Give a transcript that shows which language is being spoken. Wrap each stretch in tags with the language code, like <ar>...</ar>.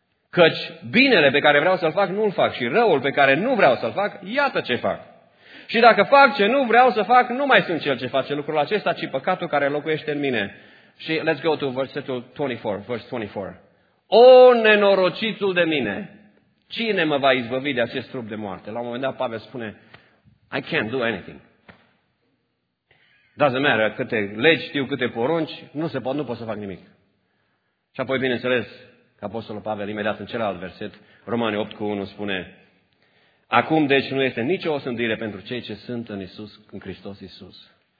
<ro>Căci binele pe care vreau să-l fac, nu-l fac. Și răul pe care nu vreau să-l fac, iată ce fac. Și dacă fac ce nu vreau să fac, nu mai sunt cel ce face lucrul acesta, ci păcatul care locuiește în mine. Și</ro> <en>let's go to</en> <ro>versetul 24,</ro> <en>verse 24.</en> <ro>O, nenorocitul de mine! Cine mă va izbăvi de acest trup de moarte?</ro> <en>La un moment dat, Pavel spune, I can't do anything. Doesn't matter,</en> <ro>câte legi știu, câte porunci, nu pot să fac nimic. Și apoi, bineînțeles, Apostolul Pavel, imediat în celălalt verset, Romani 8:1 spune, acum deci nu este nicio osândire pentru cei ce sunt în Iisus, în Hristos Iisus.</ro>